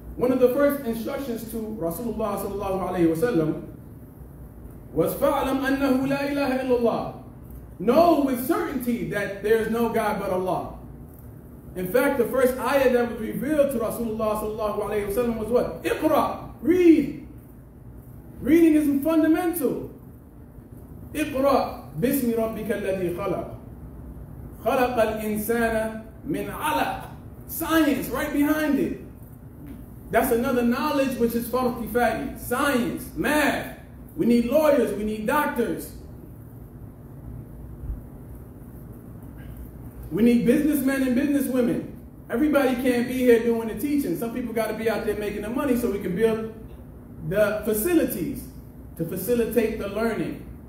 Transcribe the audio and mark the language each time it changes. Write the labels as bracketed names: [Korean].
[English] One of the first instructions to Rasulullah sallallahu alayhi wasallam was [Arabic] فَعْلَمْ أَنَّهُ لَا إِلَهَ إِلَّا اللَّهِ. [English] Know with certainty that there is no God but Allah. In fact, the first ayah that was revealed to Rasulullah sallallahu alayhi wasallam was what? Iqra, read. Reading is fundamental. [Arabic] Iqra, بِسْمِ رَبِّكَ الَّذِي خَلَقَ خَلَقَ الْإِنسَانَ مِنْ عَلَقٍ. [English] Science, right behind it. That's another knowledge which is fard kifayah, science, math. We need lawyers, we need doctors. We need businessmen and businesswomen. Everybody can't be here doing the teaching. Some people got to be out there making the money so we can build the facilities to facilitate the learning.